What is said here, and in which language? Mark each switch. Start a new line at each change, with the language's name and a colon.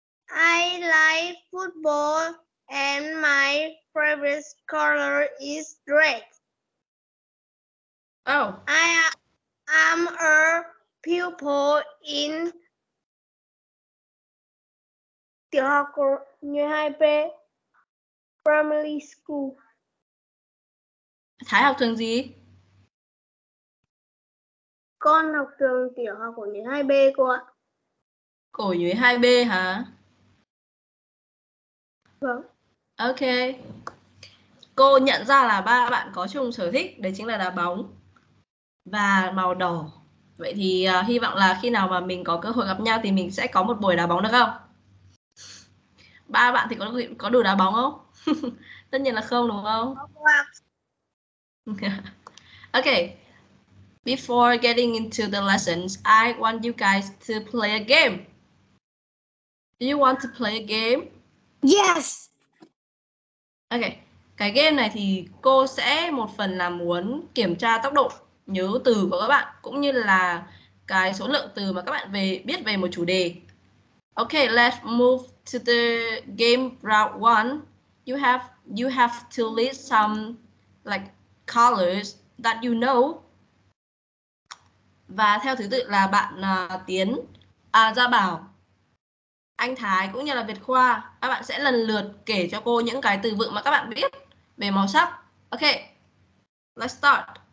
English: I like football and my favorite color is red. Oh. I'm a pupil in
Vietnamese: tiểu học như
English: 2P primary school.
Vietnamese: Thái học trường gì? Con học trường tiểu học của nhuế 2B cô ạ. Cổ nhuế 2B hả? Vâng.
English: Ok.
Vietnamese: Cô nhận ra là ba bạn có chung sở thích, đấy chính là đá bóng và màu đỏ. Vậy thì hy vọng là khi nào mà mình có cơ hội gặp nhau thì mình sẽ có một buổi đá bóng được không? Ba bạn thì có đủ đá bóng không? Tất nhiên là không đúng không?
English: Ok. Before getting into the lessons, I want you guys to play a game. Do you want to play a game? Yes. Ok.
Vietnamese: Cái game này thì cô sẽ một phần là muốn kiểm tra tốc độ nhớ từ của các bạn cũng như là cái số lượng từ mà các bạn về biết về một chủ đề.
English: Ok, let's move to the game round 1. You have to list some like colors that you know.
Vietnamese: Và theo thứ tự là bạn Tiến, Gia Bảo, Anh Thái cũng như là Việt Khoa. Các bạn sẽ lần lượt kể cho cô những cái từ vựng mà các bạn biết về màu sắc.
English: Ok, let's start.